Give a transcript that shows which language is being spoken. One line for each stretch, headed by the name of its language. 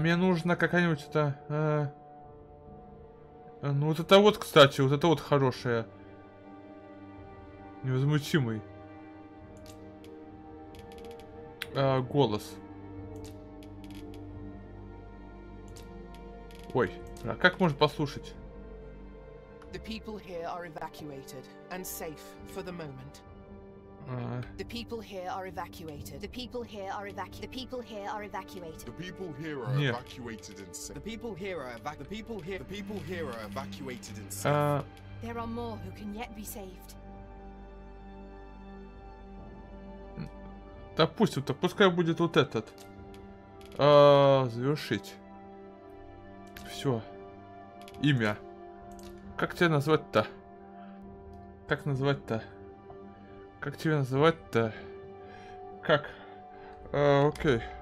Russian: Мне нужно какая-нибудь это. Ну вот это вот, кстати, вот это вот хорошее. Невозмутимый. Голос. Ой, а как можно послушать?
English: The people here are evacuated and safe for the moment. The people here are evacuated. The people here are evacuated. The people here are evacuated. The people here are evacuated and safe. The people here are evacuated. The people here. The people here are evacuated and safe. There are more who can yet be saved.
Russian: Допустим-то, пускай будет вот этот. Завершить. Все. Имя. Как тебя назвать-то? Как назвать-то? Как тебя называть-то? Как? Окей.